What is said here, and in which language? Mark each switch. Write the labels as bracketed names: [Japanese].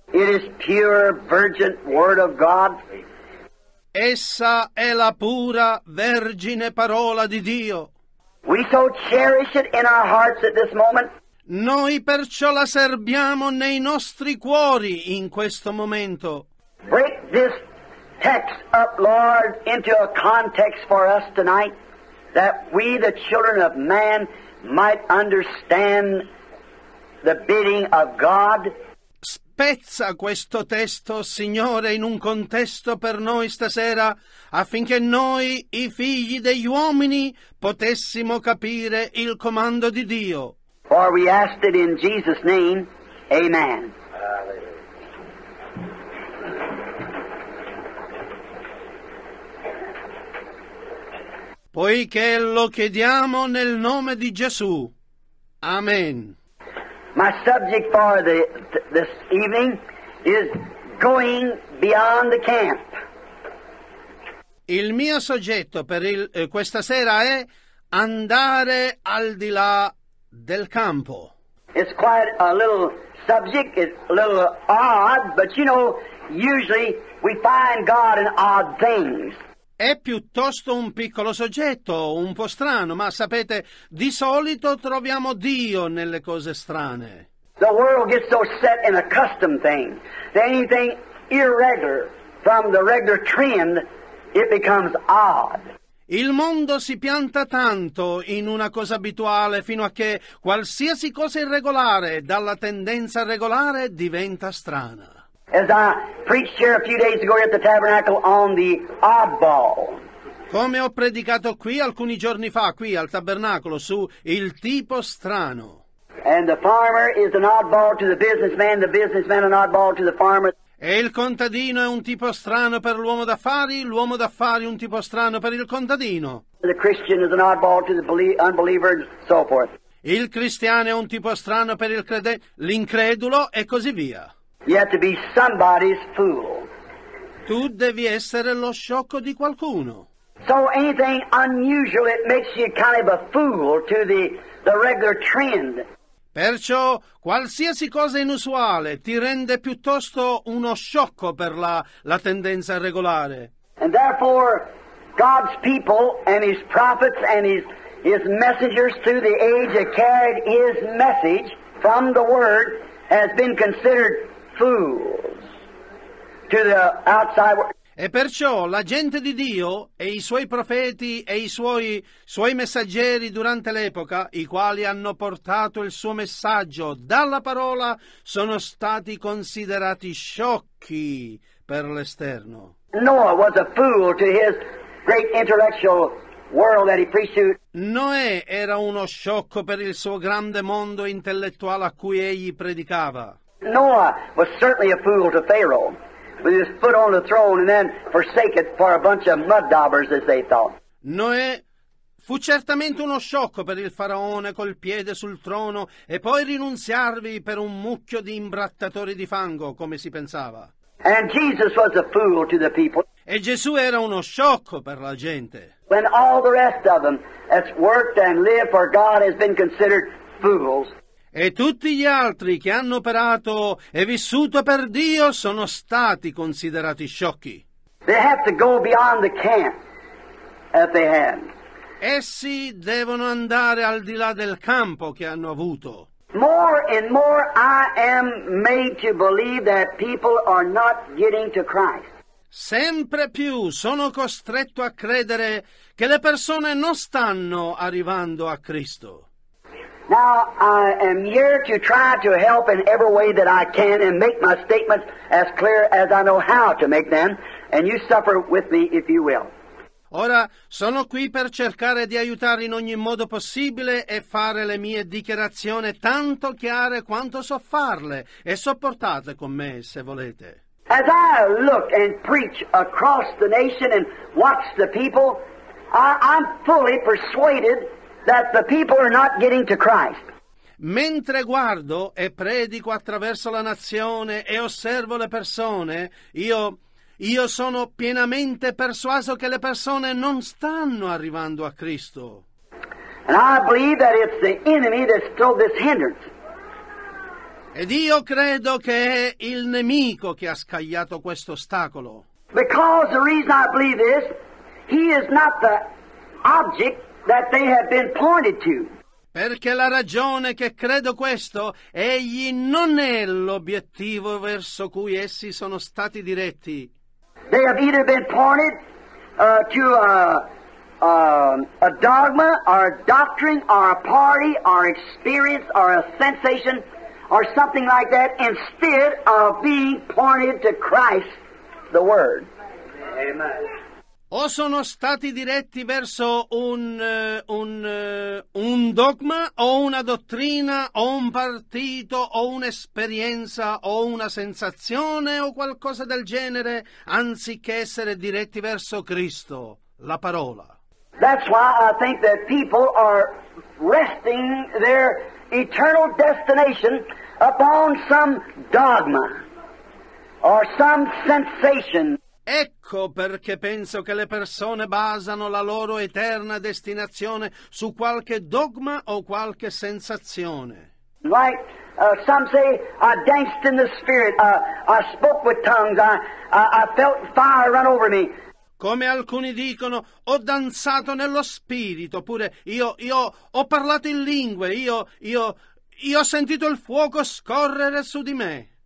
[English] It is pure, virgin word of God. [Italian] Essa è la pura, vergine parola di Dio. [English] We so cherish it in our hearts at this moment. [Italian] Noi perciò la serbiamo nei nostri cuori in questo momento. [English] Break this text up, Lord, into a context for us tonight, that we, the children of man, might understand the bidding of God. [Italian] Spezza questo testo, Signore, in un contesto per noi stasera, affinché noi, i figli degli uomini, potessimo capire il comando di Dio. [English] For we asked it in Jesus' name, amen. [Italian] Poiché lo chiediamo nel nome di Gesù. Amen. [English] My subject for this evening is going beyond the camp. [Italian] Il mio soggetto per questa sera è andare al di là del campo. [English] It's quite a little subject, it's a little odd, but you know, usually we find God in odd things. [Italian] È piuttosto un piccolo soggetto, un po' strano, ma sapete, di solito troviamo Dio nelle cose strane. [English] The world gets so set in a custom thing that anything irregular from the regular trend, it becomes odd. [Italian] Il mondo si pianta tanto in una cosa abituale fino a che qualsiasi cosa irregolare dalla tendenza regolare diventa strana. [English] As I preached here a few days ago at the tabernacle on the oddball. [Italian] Come ho predicato qui alcuni giorni fa, qui al tabernacolo, su il tipo strano. [English] And the farmer is an oddball to the businessman an oddball to the farmer. [Italian] E il contadino è un tipo strano per l'uomo d'affari un tipo strano per il contadino. [English] The Christian is an oddball to the unbeliever and so forth. [Italian] Il cristiano è un tipo strano per l'incredulo e così via. [English] You have to be somebody's fool. [Italian] Tu devi essere lo sciocco di qualcuno. [English] So anything unusual, it makes you kind of a fool to the regular trend. [Italian] Perciò qualsiasi cosa inusuale ti rende piuttosto uno sciocco per la tendenza regolare. [English] And therefore, God's people and His prophets and His messengers through the age that carried His message from the Word has been considered fools to the outside world. [Italian] E perciò la gente di Dio e i suoi profeti e i suoi messaggeri durante l'epoca, i quali hanno portato il suo messaggio dalla parola, sono stati considerati sciocchi per l'esterno. [English] Noah was a fool to his great intellectual world that he preached to. [Italian] Noè era uno sciocco per il suo grande mondo intellettuale a cui egli predicava. [English] Noah was certainly a fool to Pharaoh, with his foot on the throne and then forsake it for a bunch of mud daubers, as they thought. [Italian] Noè fu certamente uno sciocco per il faraone col piede sul trono e poi rinunziarvi per un mucchio di imbrattatori di fango, come si pensava. [English] And Jesus was a fool to the people. [Italian] E Gesù era uno sciocco per la gente. [English] When all the rest of them that's worked and lived for God has been considered fools. [Italian] E tutti gli altri che hanno operato e vissuto per Dio sono stati considerati sciocchi. [English] They have to go beyond the camp that they had. [Italian] Essi devono andare al di là del campo che hanno avuto. [English] More and more I am made to believe that people are not getting to Christ. [Italian] Sempre più sono costretto a credere che le persone non stanno arrivando a Cristo. [English] Now I am here to try to help in every way that I can and make my statements as clear as I know how to make them, and you suffer with me if you will. [Italian] Ora sono qui per cercare di aiutare in ogni modo possibile e fare le mie dichiarazioni tanto chiare quanto so farle, e sopportate con me se volete. [English] As I look and preach across the nation and watch the people, I'm fully persuaded that the people are not getting to Christ. [Italian] Mentre guardo e predico attraverso la nazione e osservo le persone, io Io sono pienamente persuaso che le persone non stanno arrivando a Cristo. [English] And I believe that it's the enemy that's thrown this hindrance. [Italian] Ed io credo che è il nemico che ha scagliato questo ostacolo. [English] Because the reason I believe this, he is not the object that they have been pointed to. [Italian] Perché la ragione che credo questo, egli non è l'obiettivo verso cui essi sono stati diretti. [English] They have either been pointed to a dogma, or a doctrine, or a party, or experience, or a sensation, or something like that, instead of being pointed to Christ, the Word. Amen. [Italian] O sono stati diretti verso un dogma, o una dottrina, o un partito, o un'esperienza, o una sensazione, o qualcosa del genere, anziché essere diretti verso Cristo, la parola. [English] That's why I think that people are resting their eternal destination upon some dogma or some sensation. [Italian] Ecco perché penso che le persone basano la loro eterna destinazione su qualche dogma o qualche sensazione. [English] Like some say, I danced in the spirit, I spoke with tongues, I felt fire run over me. [Italian] Come alcuni dicono, ho danzato nello spirito, oppure io ho parlato in lingue, io ho sentito il fuoco scorrere su di me.